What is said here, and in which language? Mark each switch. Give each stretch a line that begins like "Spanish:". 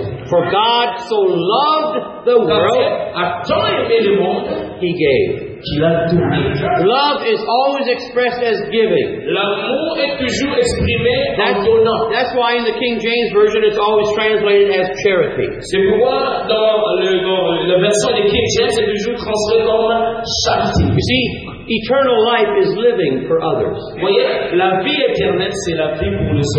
English: For God so loved the world, he gave. Love is always expressed as giving.
French: L'amour est toujours exprimé en donnant.
English: That's why in the King James Version it's always translated as charity.
French: C'est pourquoi dans la version du King James c'est toujours translated comme charité.
English: You see, eternal life is living for others.
French: Voyez, la vie éternelle c'est la vie pour les autres.